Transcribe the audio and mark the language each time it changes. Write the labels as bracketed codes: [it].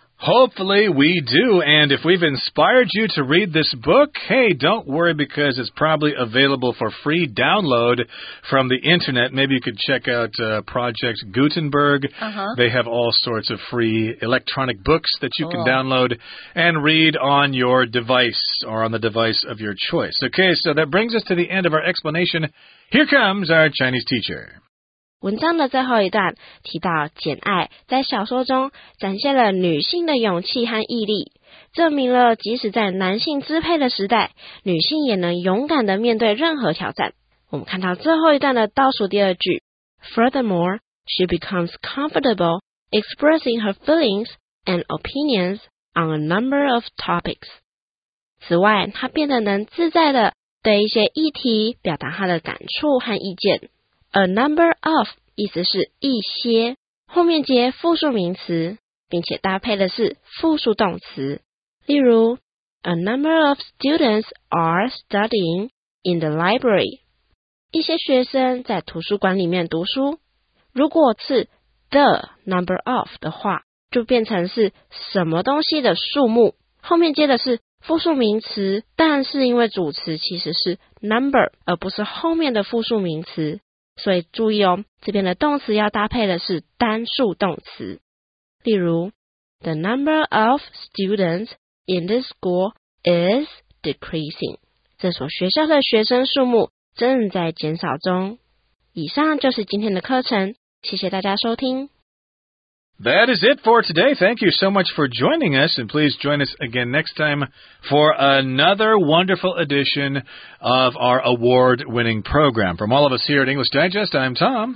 [en] Hopefully we do, and if we've inspired you to read this book, hey, don't worry, because it's probably available for free download from the internet. Maybe you could check out Project Gutenberg. Uh-huh. They have all sorts of free electronic books that you can download and read on your device or on the device of your choice. Okay, so that brings us to the end of our explanation. Here comes our Chinese teacher. [zh] 文章的最后一段提到简爱在小说中展现了女性的勇气和毅力，证明了即使在男性支配的时代，女性也能勇敢地面对任何挑战。我们看到最后一段的倒数第二句 [en] Furthermore, she becomes comfortable expressing her feelings and opinions on a number of topics. [zh] 此外，她变得能自在地对一些议题表达她的感触和意见。 A number of 意思是一些，后面接复数名词，并且搭配的是复数动词。 [en] 例如 ，A number of students are studying in the library。 [zh] 一些学生在图书馆里面读书。如果是 the number of 的话，就变成是什么东西的数目，后面接的是复数名词，但是因为主词其实是 number， 而不是后面的复数名词。所以注意哦，这边的动词要搭配的是单数动词。 [en] 例如 ,The number of students in this school is decreasing. [zh] 这所学校的学生数目正在减少中。以上就是今天的课程，谢谢大家收听。 [en] That is it for today. Thank you so much for joining us, and please join us again next time for another wonderful edition of our award-winning program. From all of us here at English Digest, I'm Tom.